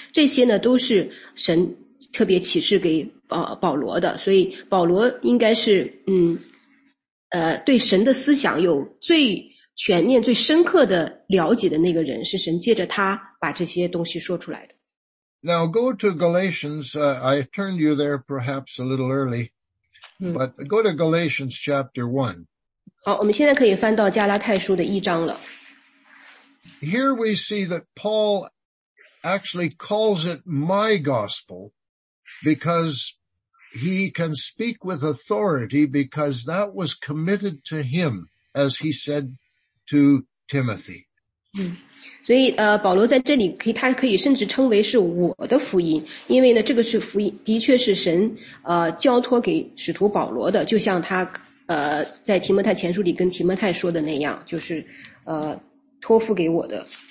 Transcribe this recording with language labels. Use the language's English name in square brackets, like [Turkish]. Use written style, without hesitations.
[Chinese] 这些呢，都是神特别启示给保罗的，所以保罗应该是对神的思想有最全面、最深刻的了解的那个人，是神借着他把这些东西说出来的。 [English] Now go to Galatians. I turned you there perhaps a little early, but go to Galatians chapter 1. [Chinese] 好，我们现在可以翻到加拉太书的一章了。 [English] Here we see that Paul actually calls it my gospel. Because he can speak with authority because that was committed to him, as he said to Timothy. [Chinese] 所以保罗在这里他可以甚至称为是我的福音，因为呢这个是福音，的确是神交托给使徒保罗的，就像他在提摩太前书里跟提摩太说的那样，就是托付给我的。